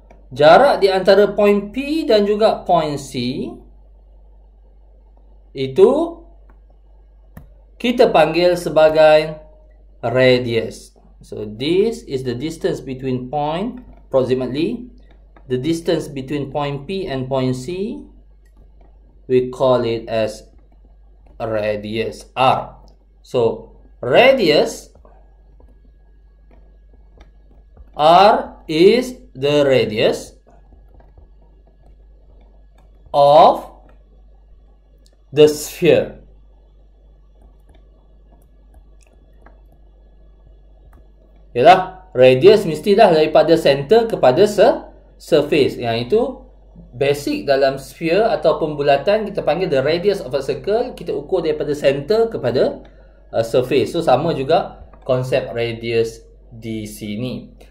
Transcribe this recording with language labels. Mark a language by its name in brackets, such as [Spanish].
[Malay] Jarak di antara poin P dan juga poin C itu kita panggil sebagai radius. [English] So this is the distance between point, approximately the distance between point P and point C, we call it as radius R. So radius R is the radius of the sphere. [Malay] Yalah, radius mestilah daripada center kepada surface. Yang itu basic dalam sphere ataupun bulatan, kita panggil [English] the radius of a circle. [Malay] Kita ukur daripada center kepada surface. So sama juga konsep radius di sini.